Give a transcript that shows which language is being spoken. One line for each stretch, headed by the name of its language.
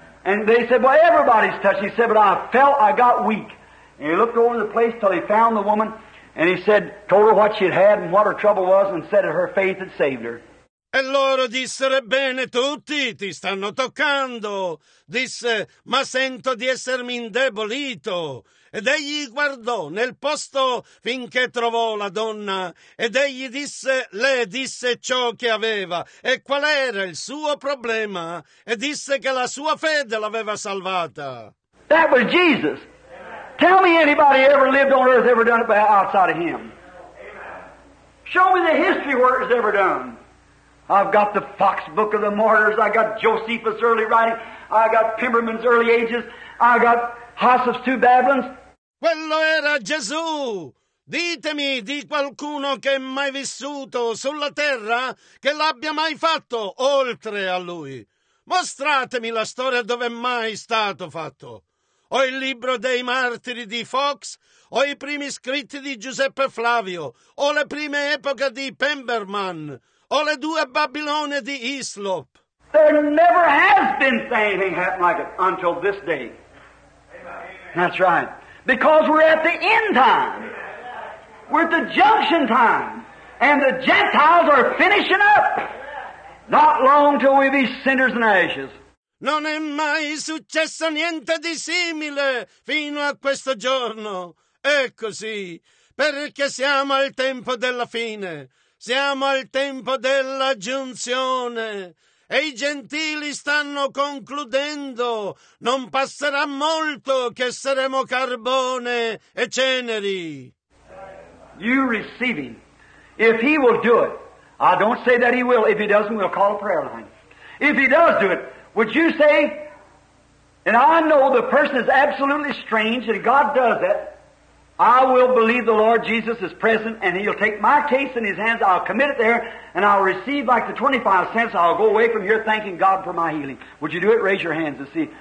English: And they said, well, everybody's touched. He said, but I got weak. And he looked over the place till he found the woman and he said, told her what she had and what her trouble was and said that her faith had saved her.
Italian: E loro dissero, bene, tutti ti stanno toccando. Disse, ma sento di essermi indebolito. Ed egli guardò nel posto finché trovò la donna. Ed egli disse, le disse ciò che aveva. E qual era il suo problema? E disse che la sua fede l'aveva salvata.
English: That was Jesus. Amen. Tell me anybody ever lived on earth, ever done it outside of him. Amen. Show me the history where it was ever done. I've got the Fox Book of the Martyrs, I got Josephus' early writing, I got Pimberman's early ages, I got Hossef's two Babylons.
Italian: Quello era Gesù. Ditemi di qualcuno che è mai vissuto sulla terra che l'abbia mai fatto oltre a lui. Mostratemi la storia dove è mai stato fatto. Ho il libro dei martiri di Fox, ho i primi scritti di Giuseppe Flavio, ho le prime epoche di Pemberman. O le due Babilone di Islop.
English: There never has been anything happened like it until this day. Amen. That's right. Because we're at the end time. We're at the junction time. And the Gentiles are finishing up. Not long till we be cinders and ashes.
Italian: Non è mai successo niente di simile fino a questo giorno. È così. Perché siamo al tempo della fine. Siamo al tempo della giunzione e i gentili stanno concludendo. Non passerà molto che saremo carbone e ceneri.
English: You receive him. If he will do it, I don't say that he will. If he doesn't, we'll call a prayer line. If he does do it, would you say, and I know the person is absolutely strange, and God does that, I will believe the Lord Jesus is present, and he'll take my case in his hands, I'll commit it there, and I'll receive like the 25 cents, I'll go away from here thanking God for my healing. Would you do it? Raise your hands and see.